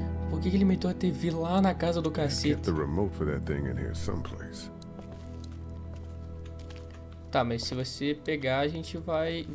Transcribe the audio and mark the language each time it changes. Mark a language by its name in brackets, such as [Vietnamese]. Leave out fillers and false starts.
[Portuguese] Por que ele meteu a TV lá na casa do cacete? [English] Get the remote for that thing in here someplace. [Portuguese] Tá, mas se você pegar, a gente vai...